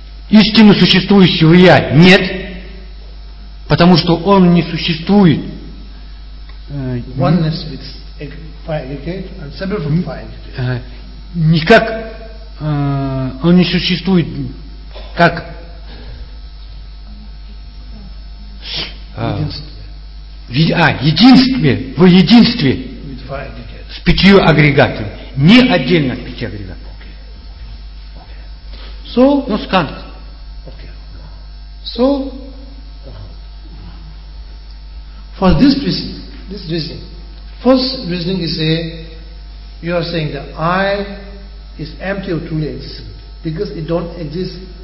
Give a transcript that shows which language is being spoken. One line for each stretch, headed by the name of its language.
Russian: Истины существующего я нет, потому что он не существует.
English: Oneness with five aggregate and separate from five aggregate.
Russian: Никак он не существует как единстве, в единстве с пятью агрегатами, не отдельно от пяти агрегатов.
English: So,
Russian: ну, скант.
English: So, for this reason, first reasoning is you are saying that I is empty of truly existent because it don't exist.